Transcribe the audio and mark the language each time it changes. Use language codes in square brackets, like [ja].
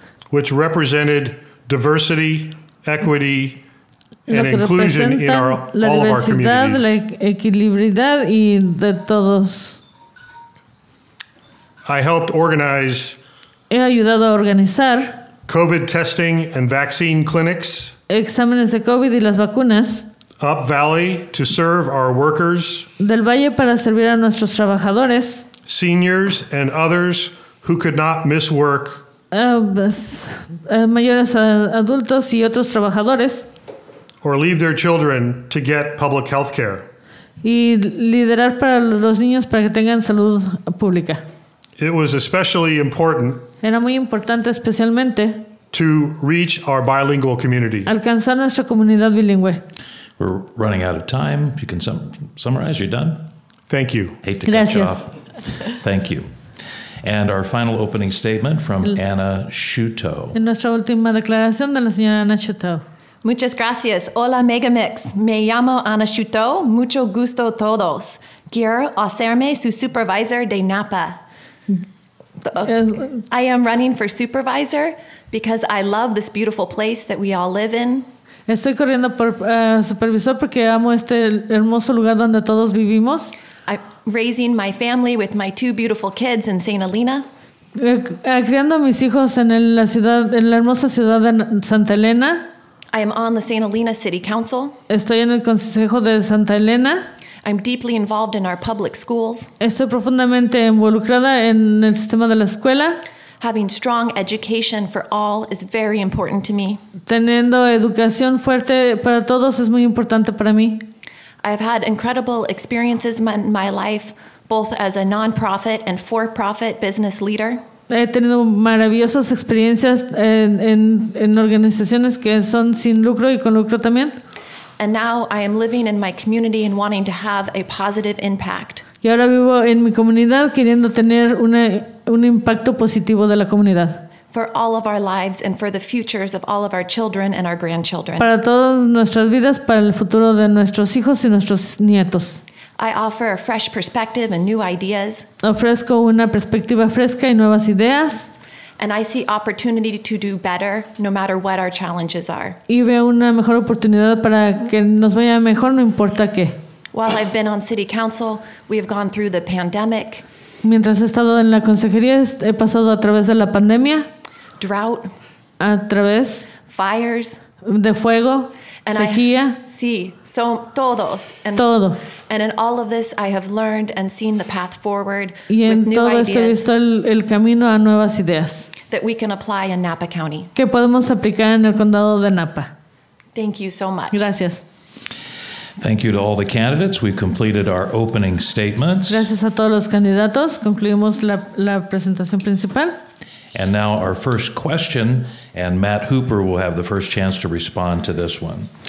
[en] Which represented diversity, equity, and inclusion in all of our communities. [es] La equilibridad y de todos. [en] I helped organize. [es] He ayudado a organizar [en] COVID testing and vaccine clinics. [es] Exámenes de COVID y las vacunas. [en] Up Valley to serve our workers. [es] Del Valle para servir a nuestros trabajadores. [en] Seniors and others who could not miss work. [es] Mayores adultos y otros trabajadores. [en] Or leave their children to get public health care. [es] Y liderar para los niños para que tengan salud pública. [en] It was especially important. [es] Era muy importante, especialmente, [en] to reach our bilingual community. [es] Alcanzar nuestra comunidad bilingüe. [en] We're running out of time. If you can summarize, you're done. Thank you. Hate to cut you off. Thank you. And our final opening statement from Anna Shuto. [es] En nuestra última declaración de la señora Ana Shuto. Muchas gracias. Hola, Megamix. Me llamo Ana Shuto. Mucho gusto a todos. Quiero hacerme su supervisor de Napa. [en] I am running for supervisor because I love this beautiful place that we all live in. [es] Estoy corriendo por supervisor porque amo este hermoso lugar donde todos vivimos. [en] I'm raising my family with my two beautiful kids in St. Helena. [es] Criando mis hijos en la ciudad, en la hermosa ciudad de Santa Elena. [en] I am on the St. Helena City Council. [es] Estoy en el Consejo de Santa Elena. [en] I'm deeply involved in our public schools. [es] Estoy profundamente involucrada en el sistema de la escuela. [en] Having strong education for all is very important to me. [es] Teniendo educación fuerte para todos es muy importante para mí. [en] I've had incredible experiences in my life, both as a non-profit and for-profit business leader. [es] He tenido maravillosas experiencias en organizaciones que son sin lucro y con lucro también. [en] And now I am living in my community and wanting to have a positive impact. [es] Y ahora vivo en mi comunidad queriendo tener un impacto positivo de la comunidad. [en] For all of our lives and for the futures of all of our children and our grandchildren. [es] Para todas nuestras vidas, para el futuro de nuestros hijos y nuestros nietos. [en] I offer a fresh perspective and new ideas. [es] Ofrezco una perspectiva fresca y nuevas ideas. [en] And I see opportunity to do better, no matter what our challenges are. [es] Y veo una mejor oportunidad para que nos vaya mejor, no importa qué. [en] While I've been on City Council, we have gone through the pandemic. [es] Mientras he estado en la consejería, he pasado a través de la pandemia. [en] Drought. [es] A través. [en] Fires. [es] De fuego. [en] And [es] sequía. Todo. [en] And in all of this, I have learned and seen the path forward with new ideas. [es] Y en todo esto he visto el camino a nuevas ideas. [en] That we can apply in Napa County. [es] Que podemos aplicar en el condado de Napa. [en] Thank you so much. [es] Gracias. [en] Thank you to all the candidates. We've completed our opening statements. [es] Gracias a todos los candidatos. Concluimos la presentación principal. [en] And now our first question, and Matt Hooper will have the first chance to respond to this one.